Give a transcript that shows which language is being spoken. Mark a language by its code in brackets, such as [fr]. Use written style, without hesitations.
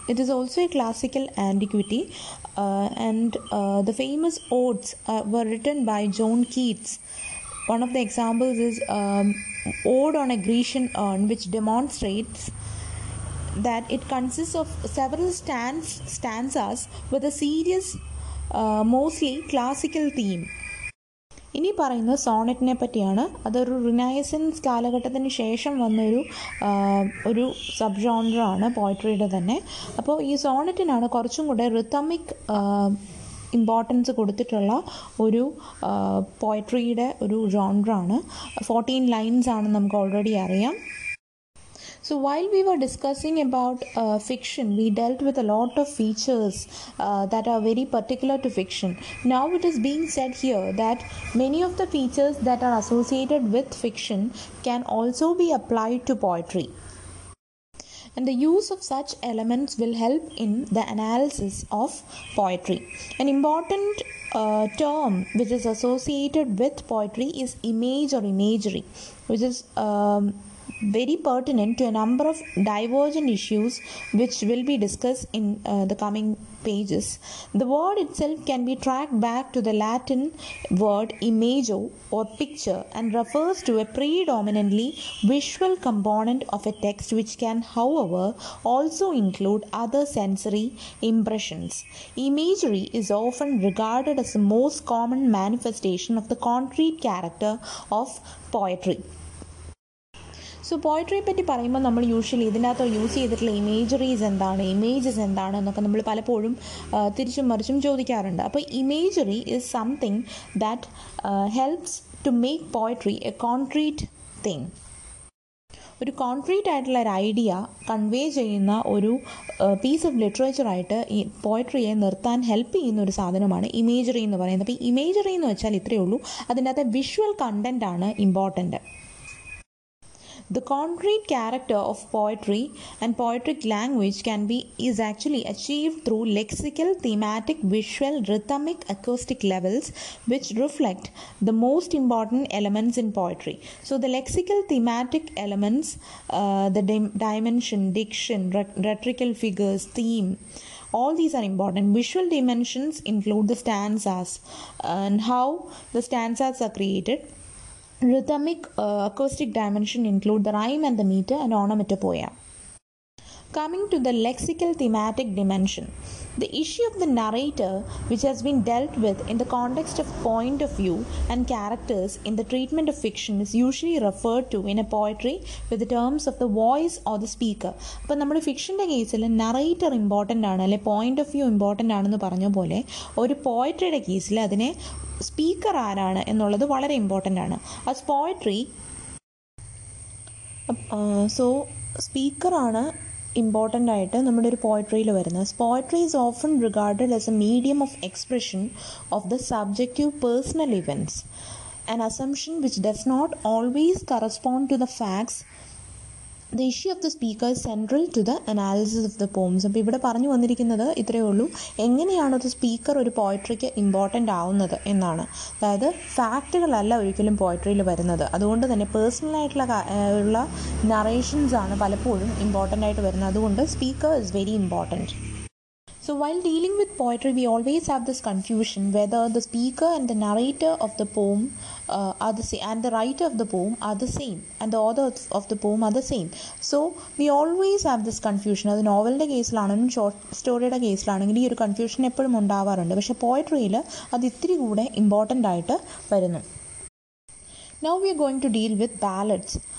[en] It is also a classical antiquity, the famous odes were written by John Keats. One of the examples is Ode on a Grecian Urn, which demonstrates that it consists of several stanzas with a serious, mostly classical theme. [ml] ഇനി പറയുന്ന സോണറ്റിനെ പറ്റിയാണ്. അതൊരു renaissance കാലഘട്ടത്തിന് ശേഷം വന്നൊരു ഒരു sub ജോണറാണ് പോയട്രിയുടെ തന്നെ. അപ്പോൾ ഈ സോണറ്റിനാണ് കുറച്ചും കൂടെ റിതമിക് ഇമ്പോർട്ടൻസ് കൊടുത്തിട്ടുള്ള ഒരു പോയട്രിയുടെ ഒരു ജോണറാണ്. 14 ലൈൻസ് ആണ് നമുക്ക് ഓൾറെഡി അറിയാം. [en] So while we were discussing about fiction, we dealt with a lot of features that are very particular to fiction. Now it is being said here that many of the features that are associated with fiction can also be applied to poetry. And the use of such elements will help in the analysis of poetry. An important term which is associated with poetry is image or imagery, which is very pertinent to a number of divergent issues which will be discussed in the coming pages. The word itself can be tracked back to the Latin word imago, or picture, and refers to a predominantly visual component of a text, which can, however, also include other sensory impressions. Imagery is often regarded as the most common manifestation of the concrete character of poetry. [ml] So പോയട്രിയെ പറ്റി പറയുമ്പോൾ നമ്മൾ usually ഇതിൻ്റെ അകത്ത് use ചെയ്തിട്ടുള്ള imageries എന്താണ്, images എന്താണ് എന്നൊക്കെ നമ്മൾ പലപ്പോഴും തിരിച്ചും മറിച്ചും ചോദിക്കാറുണ്ട്. [en] അപ്പോൾ imagery is something that helps to make poetry a concrete thing. [ml] ഒരു കോൺക്രീറ്റ് ആയിട്ടുള്ള ഒരു ഐഡിയ കൺവേ ചെയ്യുന്ന ഒരു പീസ് ഓഫ് ലിറ്ററേച്ചറായിട്ട് ഈ പോയട്രിയെ നിർത്താൻ ഹെൽപ്പ് ചെയ്യുന്ന ഒരു സാധനമാണ് ഇമേജറി എന്ന് പറയുന്നത്. അപ്പോൾ ഇമേജറി എന്ന് വെച്ചാൽ ഇത്രയേ ഉള്ളൂ, അതിൻ്റെ അകത്തെ വിഷ്വൽ കണ്ടൻ്റ് ആണ് important. [en] The concrete character of poetry and poetic language is actually achieved through lexical, thematic, visual, rhythmic, acoustic levels, which reflect the most important elements in poetry. So the lexical, thematic elements, the dimension, diction, rhetorical figures, theme, all these are important. Visual dimensions include the stanzas and how the stanzas are created. Rhythmic acoustic dimension include the rhyme and the meter and onomatopoeia. Coming to the lexical thematic dimension, the issue of the narrator, which has been dealt with in the context of point of view and characters in the treatment of fiction, is usually referred to in a poetry with the terms of the voice or the speaker. [ml] അപ്പോൾ നമ്മുടെ ഫിക്ഷൻ്റെ കേസിൽ narrator important ആണ്, അല്ലെ point of view important ആണെന്ന് പറഞ്ഞ പോലെ, ഒരു പോയട്രിയുടെ കേസിൽ അതിനെ സ്പീക്കർ ആരാണ് എന്നുള്ളത് വളരെ ഇമ്പോർട്ടൻ്റ് ആണ്. ആസ് പോയട്രി, സോ സ്പീക്കറാണ് ഇമ്പോർട്ടൻ്റ് ആയിട്ട് നമ്മുടെ ഒരു പോയട്രിയിൽ വരുന്നത്. [en] Poetry is often regarded as a medium of expression of the subjective personal events, an assumption which does not always correspond to the facts. The issue of the speaker central to the analysis of the poems. [ml] അപ്പോൾ ഇവിടെ പറഞ്ഞു വന്നിരിക്കുന്നത് ഇത്രയേ ഉള്ളൂ, എങ്ങനെയാണ് ഒരു speaker ഒരു പോയട്രിക്ക് important ആവുന്നത് എന്നാണ്. അതായത് ഫാക്റ്റുകളല്ല ഒരിക്കലും പോയട്രിയിൽ വരുന്നത്, അതുകൊണ്ട് തന്നെ പേഴ്സണലായിട്ടുള്ള നറേഷൻസ് ആണ് പലപ്പോഴും ഇമ്പോർട്ടൻ്റ് ആയിട്ട് വരുന്നത്. അതുകൊണ്ട് [en] Speaker is very important. So while dealing with poetry, we always have this confusion whether the speaker and the narrator of the poem are the same, and the writer of the poem are the same, and the author of the poem are the same. So we always have this confusion. [ml] അത് നോവലിൻ്റെ കേസിലാണെങ്കിലും short സ്റ്റോറിയുടെ കേസിലാണെങ്കിലും ഈ ഒരു confusion എപ്പോഴും ഉണ്ടാവാറുണ്ട്. പക്ഷേ പോയട്രിയിൽ അത് ഇത്തിരി കൂടെ important ആയിട്ട് വരുന്നു. [en] Now we are going to deal with ballads.